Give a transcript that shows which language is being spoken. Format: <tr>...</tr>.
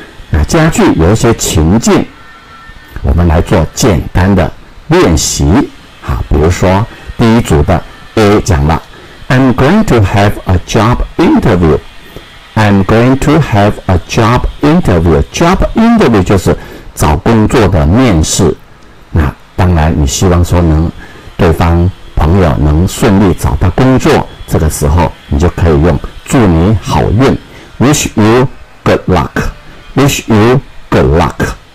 <zh>那家具有一些情境，我们来做简单的练习。好，比如说第一组的 A 讲了 ，</zh> <en>I'm going to have a job interview。 I'm going to have a job interview. Job interview</en> <zh>就是找工作的面试。那当然，你希望说能对方朋友能顺利找到工作，这个时候你就可以用祝你好运 ，</zh> <en>Wish you good luck. Wish you good luck.</en>